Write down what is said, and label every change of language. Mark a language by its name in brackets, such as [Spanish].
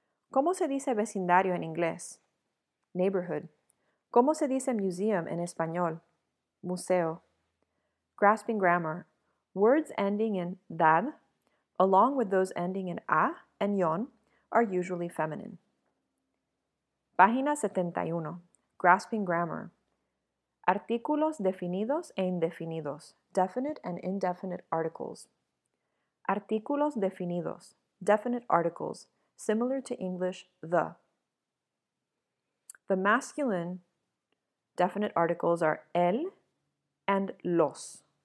[Spanish] ¿Cómo se dice vecindario en inglés? Neighborhood. ¿Cómo se dice museum en español? Museo. [English] Grasping grammar. Words ending in dad, along with those ending in a and yon, are usually feminine. [Spanish] Página 71. [English] Grasping grammar. [Spanish] Artículos definidos e indefinidos. [English] Definite and indefinite articles. [Spanish] Artículos definidos. [English] Definite articles. Similar to English, the. The masculine definite articles are el and los.